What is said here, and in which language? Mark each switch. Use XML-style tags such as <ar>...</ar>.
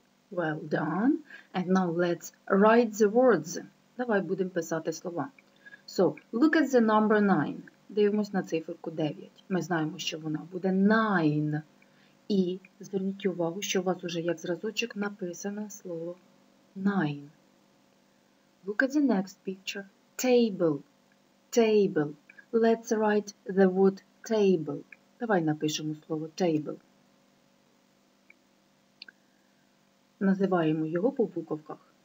<en>Well done. And now let's write the words.</en> <uk>Давай будемо писати слова.</uk> <en>So, look at the number 9.</en> <uk>дивимось на циферку 9. Ми знаємо, що вона буде 9. І зверніть увагу, що у вас уже як зразочок написане слово 9.</uk> <en>Look at the next picture. Table. Table. Let's write the word table.</en> <uk>Давай напишемо слово table. Називаємо його по буковках.</uk>